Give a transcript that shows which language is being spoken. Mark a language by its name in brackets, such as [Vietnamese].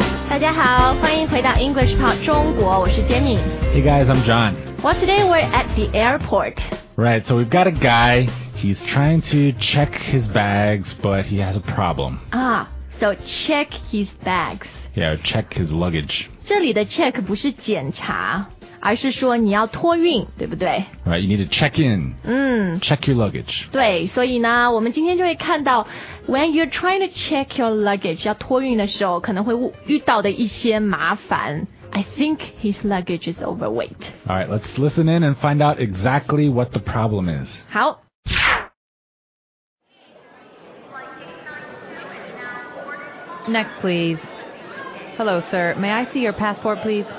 [Chinese] 大家好，欢迎回到 English Pod 中国，我是 Jenny。 [English] Hey guys, I'm John. Well, today we're at the airport. Right, so we've got a guy. He's trying to check his bags, but he has a problem. Ah, so check his bags. Yeah, check his luggage. [Chinese] 这里的 check 不是检查。而是说你要托运，对不对？ [English] Right, you need to check in. 嗯。 Check your luggage. [Chinese] 对，所以呢，我们今天就会看到 [English] when you're trying to check your luggage, [Chinese] 要托运的时候，可能会遇到的一些麻烦。 [English] I think his luggage is overweight. All right, let's listen in and find out exactly what the problem is. [Chinese] 好。 [English] Next, please. Hello, sir. May I see your passport, please?